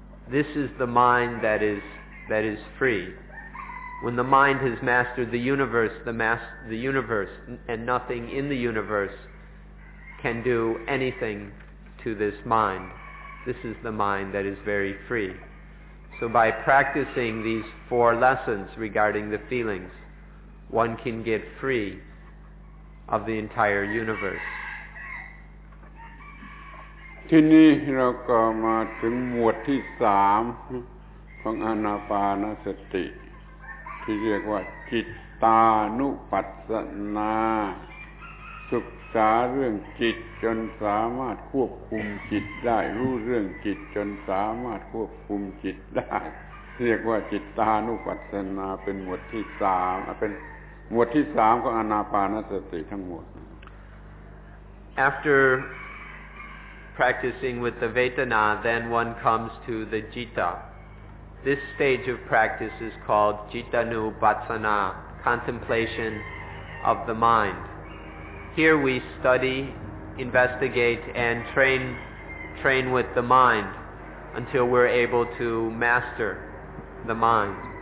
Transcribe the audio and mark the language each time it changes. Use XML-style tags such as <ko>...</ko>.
<en>This is the mind that is free. When the mind has mastered the universe, the universe, and nothing in the universe can do anything to this mind. This is the mind that is very free. So by practicing these four lessons regarding the feelings, one can get free of the entire universe.</en> <th>ที่นี่เราก็มาถึงหมวดที่สามของอานาปานสติที่เรียกว่าจิตตานุปัสสนาศึกษาเรื่องจิตจนสามารถควบคุมจิตได้รู้เรื่องจิตจนสามารถควบคุมจิตได้เรียกว่าจิตตานุปัสสนาเป็นหมวดที่สามเป็นหมวดที่สามของอานาปานสติทั้งหมด</th> <en>After practicing with the vetana, then one comes to the jitta. This stage of practice is called jitanu batsana, contemplation of the mind. Here we study, investigate, and train with the mind until we're able to master the mind.</en>